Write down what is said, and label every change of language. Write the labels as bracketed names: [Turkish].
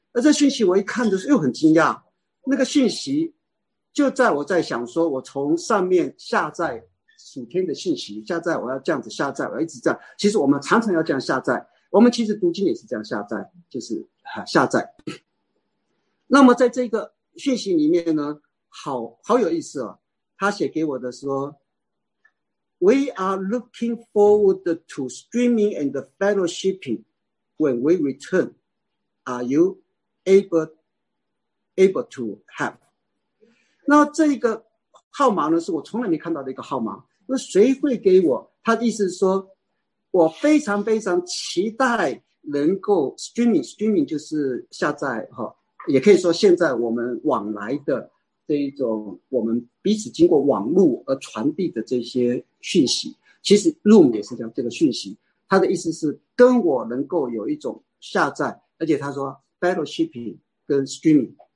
[Chinese] 而这讯息我一看的时候又很惊讶，那个讯息就在我在想说，我从上面下载数天的信息，下载我要这样子下载，我要一直这样。其实我们常常要这样下载，我们其实读经也是这样下载，就是下载。那么在这个讯息里面呢，好有意思哦，他写给我的说。 [English] We are looking forward to streaming and fellowshipping when we return. Are you able to have? [Chinese] 那这个号码呢，是我从来没看到的一个号码。那谁会给我？他的意思是说，我非常非常期待能够 streaming 就是下载，也可以说现在我们往来的这一种我们彼此经过网络而传递的这些讯息，其实 Room 也是这样，这个讯息他的意思是跟我能够有一种下载，而且他说 fellowshipping 跟 streaming。